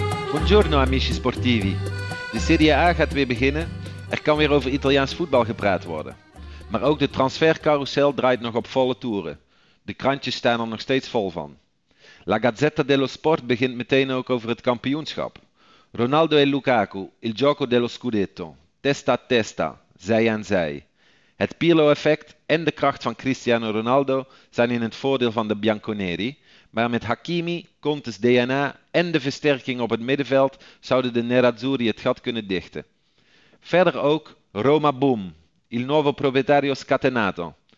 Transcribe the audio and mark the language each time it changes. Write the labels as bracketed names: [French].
[Italian] Buongiorno amici sportivi. [Dutch] De Serie A gaat weer beginnen. Er kan weer over Italiaans voetbal gepraat worden. Maar ook de transfercarousel draait nog op volle toeren. De krantjes staan er nog steeds vol van. La Gazzetta dello Sport begint meteen ook over het kampioenschap. [Italian] Ronaldo en Lukaku, il gioco dello scudetto. Testa a testa, [Dutch] zij aan zij. Het Pirlo-effect en de kracht van Cristiano Ronaldo zijn in het voordeel van de Bianconeri. Maar met Hakimi, Conte's DNA en de versterking op het middenveld zouden de Nerazzurri het gat kunnen dichten. Verder ook [Italian] Roma Boom, il nuovo proprietario scatenato.